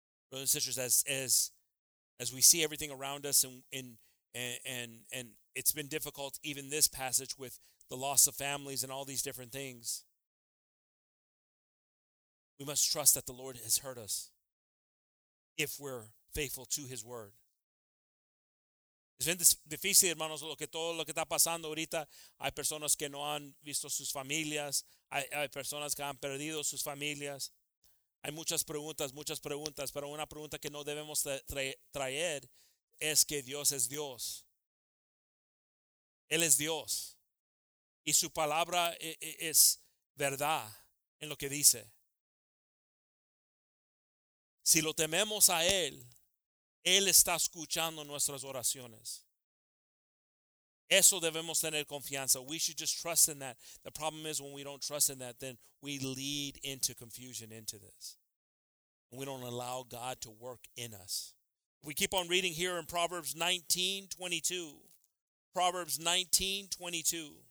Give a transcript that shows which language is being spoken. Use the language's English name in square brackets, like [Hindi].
[English] Brothers and sisters, as we see everything around us and it's been difficult, even this passage with the loss of families and all these different things, we must trust that the Lord has heard us if we're faithful to his word. [Spanish] Es bien difícil, hermanos, lo que todo lo que está pasando ahorita. Hay personas que no han visto sus familias. Hay personas que han perdido sus familias. Hay muchas preguntas, pero una pregunta que no debemos traer es que Dios es Dios. Él es Dios. Y su palabra es verdad en lo que dice. Si lo tememos a Él, Él está escuchando nuestras oraciones. Eso debemos tener confianza. [English] We should just trust in that. The problem is when we don't trust in that, then we lead into confusion into this. We don't allow God to work in us. We keep on reading here in Proverbs 19, 22. Proverbs 19, 22.